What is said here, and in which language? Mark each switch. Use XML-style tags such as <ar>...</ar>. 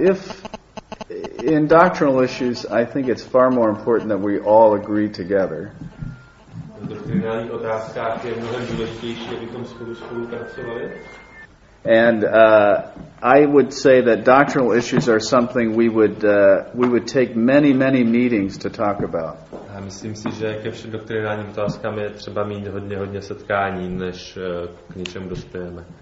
<en>If in doctrinal issues, I think it's far more important that we all agree together.</en> <cs>V doktrinálních otázkách je mnohem důležitější, abychom spolu pracovali.</cs> <en>And I would say that doctrinal issues are something we would take many, many meetings to talk about.</en> <cs>A myslím si, že ke všem doktrinálním otázkám je třeba mít hodně, hodně setkání, než k něčemu dospějeme.</cs>